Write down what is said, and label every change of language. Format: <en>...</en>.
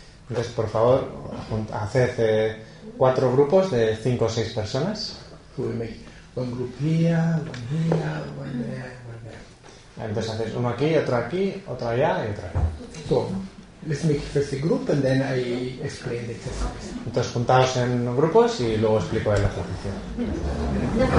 <es>Entonces, por favor, haced cuatro grupos de cinco o seis personas.</es> <en>We make one group here, one here, one there, one there.</en> <es>Entonces haces uno aquí, otro aquí, otro allá y otro allá.</es> <en>So, let's make first a group and then I explain the exercise.</en> <es>Entonces juntaos en grupos y luego explico el ejercicio.</es>